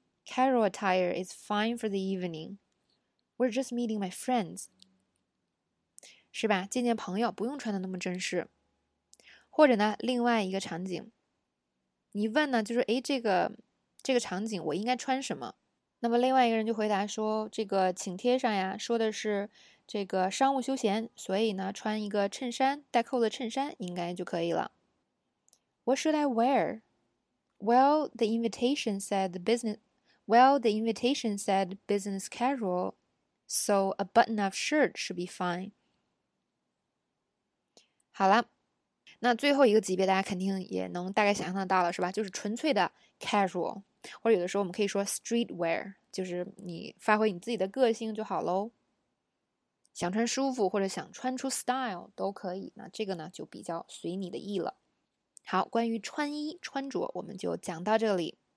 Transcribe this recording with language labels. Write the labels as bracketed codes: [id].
[en] Casual attire is fine for the evening. We're just meeting my friends，是吧？ [zh] 见见朋友不用穿的那么正式。或者呢，另外一个场景，你问呢，就是诶，这个场景我应该穿什么？那么另外一个人就回答说，这个请帖上呀说的是这个商务休闲，所以呢穿一个衬衫，带扣的衬衫应该就可以了。 [en] What should I wear? Well, the invitation said the business. Well, the invitation said business casual. So a button-up shirt should be fine. [zh] 好了，那最后一个级别大家肯定也能大概想象得到了，是吧？就是纯粹的 casual，或者有的时候我们可以说 street wear，就是你发挥你自己的个性就好喽。想穿舒服或者想穿出 style 都可以，那这个呢就比较随你的意了。好，关于穿衣穿着我们就讲到这里。